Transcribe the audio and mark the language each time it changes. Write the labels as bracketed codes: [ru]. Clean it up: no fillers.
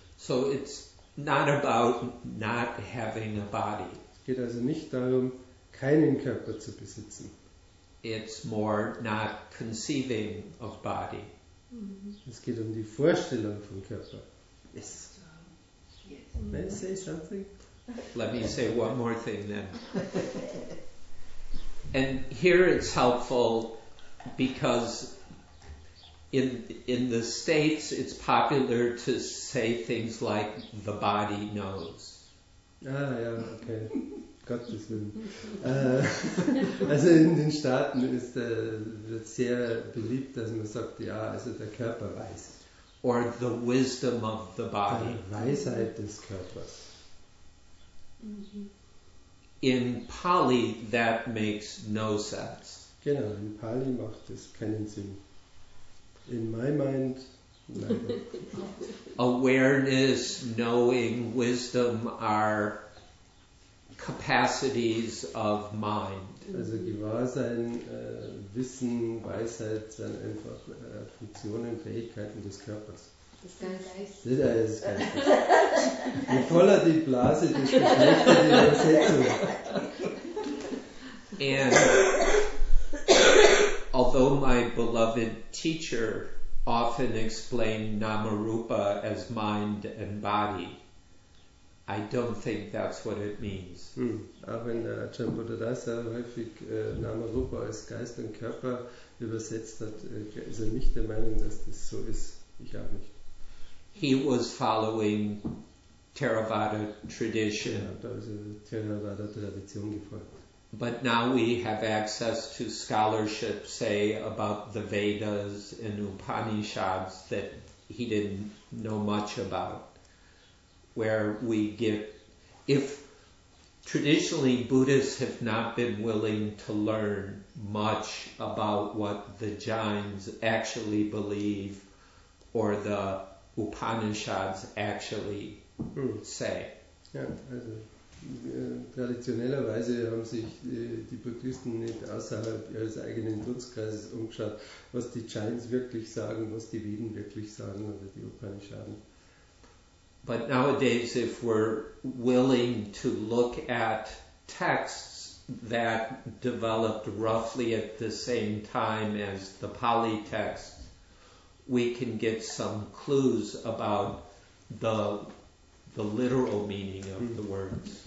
[en] So it's not about not having a body. [de] Es geht also nicht darum, keinen Körper zu besitzen. [en] It's more not conceiving of body. [de] Es geht um die Vorstellung vom Körper. [en] Yes. May I say something? Let me say one more thing then. And here it's helpful because in the States it's popular to say things like the body knows. [de] Ah ja, okay. Gottes Willen. Also in den Staaten ist es sehr beliebt, dass man sagt, ja, also der Körper weiß. [en] or the wisdom of the body. [de] Die Weisheit des Körpers. [en] In Pali, that makes no sense. [de] Genau, in Pali macht es keinen Sinn. [en] In my mind, neither. Awareness, knowing, wisdom are capacities of mind. [de] Also Gewahrsein, Wissen, Weisheit sind einfach Funktionen, Fähigkeiten des Körpers. Das ist kein Geist. Das ist kein Geist. Je voller die Blase, desto schlechter die Übersetzung. [en] And although my beloved teacher often explained Namarupa as mind and body, I don't think that's what it means. [de] Auch wenn Ajahn Buddhadasa häufig Namarupa als Geist und Körper übersetzt hat, ist er nicht der Meinung, dass das so ist. Ich auch nicht. [en] He was following Theravada tradition. [de] Ja, da ist er Theravada Tradition gefolgt. [en] But now we have access to scholarship, say, about the Vedas and Upanishads that he didn't know much about. Where we get, if traditionally Buddhists have not been willing to learn much about what the Jains actually believe or the Upanishads actually say. [de] Yeah, also, traditionellerweise haben sich die Buddhisten nicht außerhalb ihres eigenen Dunstkreises umgeschaut, was die Jains wirklich sagen, was die Veden wirklich sagen oder die Upanishaden. [en] But nowadays, if we're willing to look at texts that developed roughly at the same time as the Pali texts, we can get some clues about the literal meaning of the words.